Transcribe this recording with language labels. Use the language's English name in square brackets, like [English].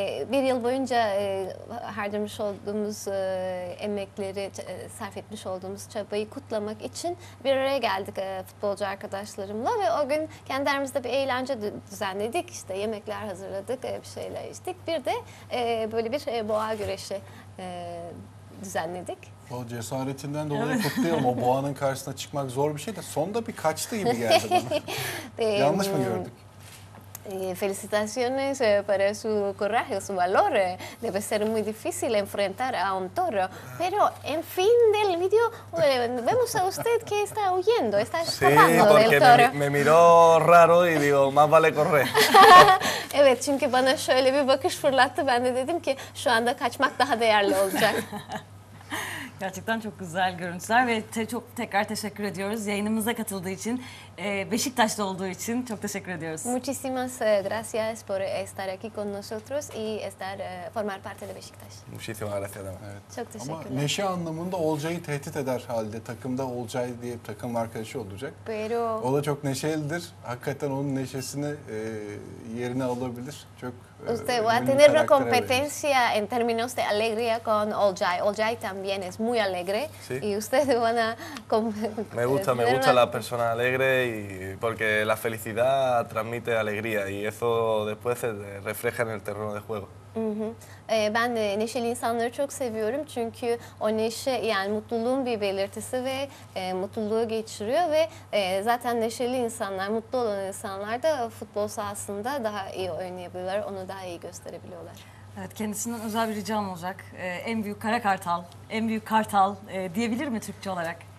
[Turkish] Bir yıl boyunca harcamış olduğumuz emekleri, sarf etmiş olduğumuz çabayı kutlamak için bir araya geldik futbolcu arkadaşlarımla ve o gün kendi aramızda bir eğlence düzenledik. İşte yemekler hazırladık, bir şeyler içtik. Bir de böyle bir boğa güreşi düzenledik. O cesaretinden dolayı kutlayalım. O boğanın karşısına çıkmak zor bir şey de sonda bir kaçtı gibi geldi bana. Yanlış mı gördük? [Spanish] Felicitaciones para su coraje, su valor. Debe ser muy difícil enfrentar a un toro. Pero en fin del video vemos a usted que está huyendo, está escapando del toro. Me miró raro y digo, más vale correr. [Turkish] Evet, çünkü bana şöyle bir bakış fırlattı. Ben de dedim ki şu anda kaçmak daha değerli olacak. Gerçekten çok güzel görüntüler ve çok tekrar teşekkür ediyoruz yayınımıza katıldığı için, Beşiktaş'ta olduğu için çok teşekkür ediyoruz. [Spanish] Muchísimas gracias por estar aquí con nosotros y estar formar parte de Beşiktaş. Muchísimas gracias. Evet. [Turkish] Çok teşekkürler. Ama neşe anlamında Olcay'ı tehdit eder halde, takımda Olcay diye bir takım arkadaşı olacak. [Spanish] Pero... [Turkish] O da çok neşelidir, hakikaten onun neşesini yerine alabilir. Çok. [Spanish] Usted va a tener una competencia en términos de alegría con Olcay. Olcay también es muy alegre. Sí. Y usted van a... Me gusta la persona alegre y porque la felicidad transmite alegría y eso después se refleja en el terreno de juego. [Turkish] Ben de neşeli insanları çok seviyorum çünkü o neşe yani mutluluğun bir belirtisi ve mutluluğu geçiriyor ve zaten neşeli insanlar, mutlu olan insanlar da futbol sahasında daha iyi oynayabiliyorlar, onu daha iyi gösterebiliyorlar. Evet, kendisinden özel bir ricam olacak. En büyük kara kartal, en büyük kartal diyebilir mi Türkçe olarak?